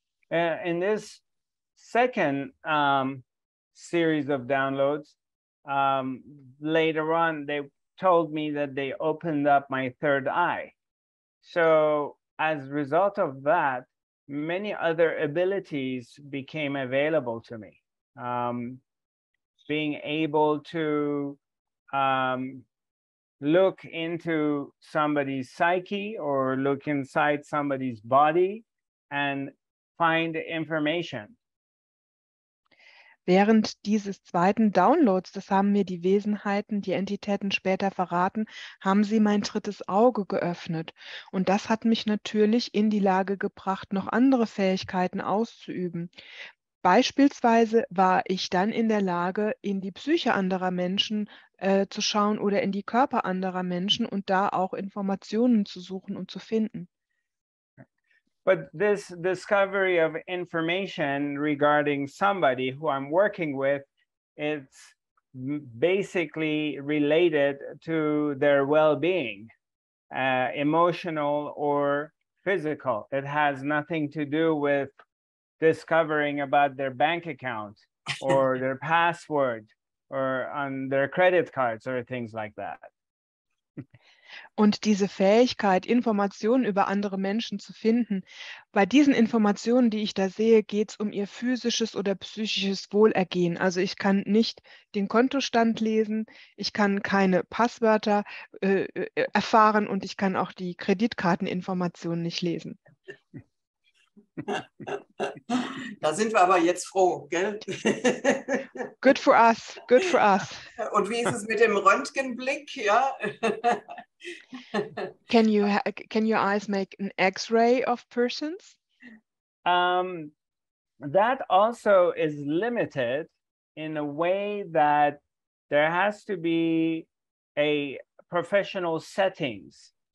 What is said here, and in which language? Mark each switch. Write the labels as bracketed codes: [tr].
[en] In this second series of downloads, later on, they told me that they opened up my third eye. So as a result of that, many other abilities became available to me. Being able to look into somebody's psyche or look inside somebody's body and find information. [de] Während dieses zweiten Downloads, das haben mir die Wesenheiten, die Entitäten später verraten, haben sie mein drittes Auge geöffnet. Und das hat mich natürlich in die Lage gebracht, noch andere Fähigkeiten auszuüben. Beispielsweise war ich dann in der Lage, in die Psyche anderer Menschen zu schauen oder in die Körper anderer Menschen und da auch Informationen zu suchen und zu finden. [en] But this discovery of information regarding somebody who I'm working with, it's basically related to their well-being, emotional or physical. It has nothing to do with discovering about their bank account or their password or on their credit cards or things like that. [de] Und diese Fähigkeit, Informationen über andere Menschen zu finden, bei diesen Informationen, die ich da sehe, geht es um ihr physisches oder psychisches Wohlergehen. Also ich kann nicht den Kontostand lesen, ich kann keine Passwörter erfahren und ich kann auch die Kreditkarteninformationen nicht lesen. Da sind wir aber jetzt froh, gell? [en] Good for us, good for us. [de] Und wie ist es mit dem Röntgenblick, ja? [en] Can your eyes make an X-ray of persons? That also is limited in a way that there has to be a professional settings.